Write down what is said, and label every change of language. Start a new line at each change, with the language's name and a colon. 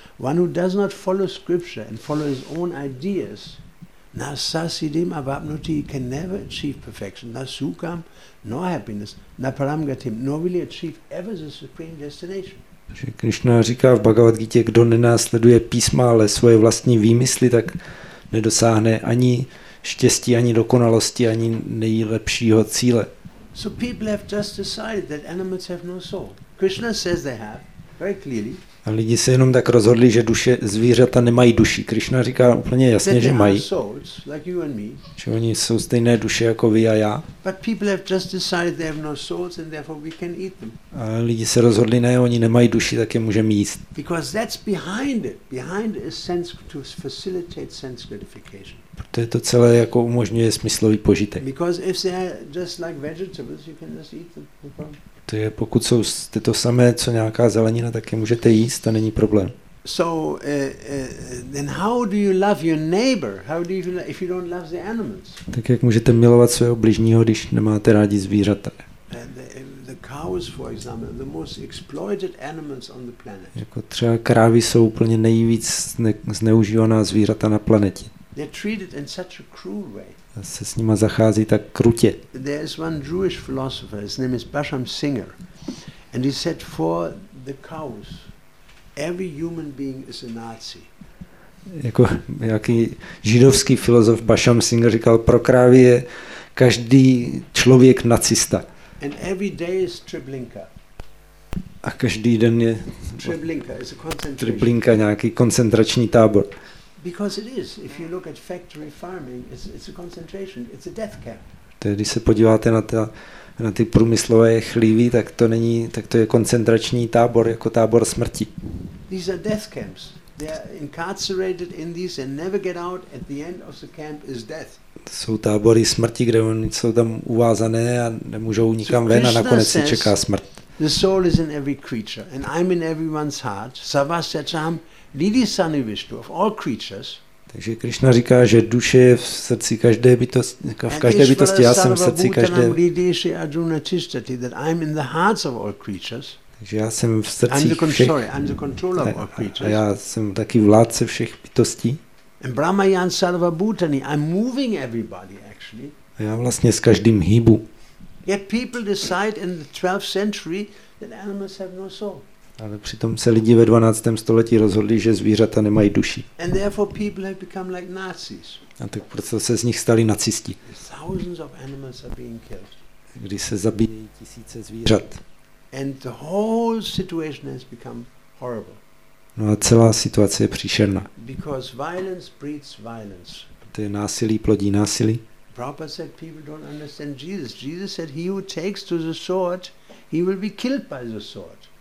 English: One who does not follow scripture and follow his own ideas,
Sanskrit: na sasidim avapnuti,
English: can never achieve perfection,
Sanskrit: na sukham,
English: nor happiness,
Sanskrit: na paramgatim,
English: nor will he achieve ever the supreme destination.
Czech: Že Krišna říká v Bhagavad Gita, kdo nenásleduje písma, ale svoje vlastní výmysly, tak nedosáhne ani štěstí, ani dokonalosti, ani nejlepšího cíle.
English: So people have just decided that animals have no soul. Krishna says they have, very clearly.
Czech: A lidi se jenom tak rozhodli, že duše, zvířata nemají duši. Krišna říká úplně jasně, že mají.
English: Souls, like you and me.
Czech: Že oni jsou stejné duše jako vy a já.
English: But people have just decided they have no souls and therefore we can eat them.
Czech: A lidi se rozhodli, ne, oni nemají duši, tak je můžeme jíst.
English: Because that's behind it. Behind is sense to facilitate sense gratification.
Czech: To je to celé jako umožňuje smyslový požitek.
English: Because if they are just like vegetables, you can just eat them.
Czech: To je, pokud jsou to samé, co nějaká zelenina, tak je můžete jíst, to není problém.
English: So then how do you love your neighbor? How do you if you don't love the animals?
Czech: Tak jak můžete milovat svého bližního, když nemáte rádi zvířata?
English: The cows, for example, the most exploited animals on the planet.
Czech: Jako třeba krávy jsou úplně nejvíc zneužívaná zvířata na planetě.
English: They're treated in such a cruel way.
Czech: A se s nima zachází tak krutě.
English: There is one Jewish philosopher, his name is Basham Singer, and he said for the cows, every human being is a Nazi.
Czech: Jako nějaký židovský filozof Basham Singer říkal, pro krávy je každý člověk nacista.
English: And every day is Treblinka.
Czech: A každý den je
English: Treblinka, is a concentration.
Czech: Treblinka, nějaký koncentrační tábor.
English: Because it is. If you look at factory farming, it's a concentration. It's a death camp.
Czech: Když se podíváte na ty průmyslové chlívy, tak to není, tak to je koncentrační tábor, jako tábor smrti.
English: These are death camps. They are incarcerated in these and never get out. At the end of the camp is death.
Czech: Jsou tábory smrti, kde oni jsou tam uvázané a nemůžou nikam ven a nakonec se čeká smrt.
English: The soul is in every creature, and I'm in everyone's heart. Savasyacham. Lidi sanu vishtu of all creatures.
Czech: Takže Krishna říká, že duše je v srdci každé bytosti, v každé bytosti, já jsem v srdci každé. Lidiši Arjuna tisthati
English: that I'm in the hearts of all creatures.
Czech: Takže já jsem v srdci všech.
English: I'm the controller of all creatures.
Czech: A já jsem taky vládce všech bytostí.
English: And
Sanskrit: Brahmayan sarva bhutani,
English: I'm moving everybody actually.
Czech: A já vlastně s každým hýbu.
English: Yet people decide in the 12th century that animals have no soul.
Czech: Ale přitom se lidi ve 12. století rozhodli, že zvířata nemají duši.
English: And therefore people have become like Nazis.
Czech: A tak proto se z nich stali nacisti.
English: Thousands of animals are being killed.
Czech: Když se zabíjí tisíce zvířat.
English: And the whole situation has become horrible.
Czech: No a celá situace je příšerná.
English: Because violence breeds violence.
Czech: Protože násilí plodí násilí.
English: Prabhupada said people don't understand Jesus. Jesus said he who takes to the sword, he will be killed by the sword.